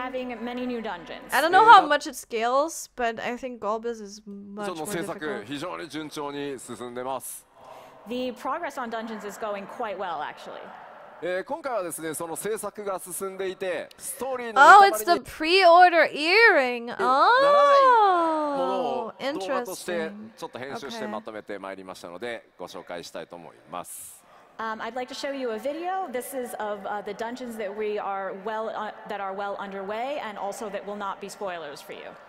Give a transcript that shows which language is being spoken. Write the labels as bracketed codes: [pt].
[en] Having many new dungeons. I don't know how much it scales, but I think Golbus is much more difficult. [ja] 非常に順調に進んでます。 [en] The progress on dungeons is going quite well, actually. [ja] 今回はですね、その制作が進んでいて、ストーリーの [en] Oh, it's the pre-order earring! Oh! Interesting. [ja] 動画としてちょっと編集してまとめてまいりましたので、ご紹介したいと思います。 [en] I'd like to show you a video. This is of the dungeons that we are well that are well underway, and also that will not be spoilers for you.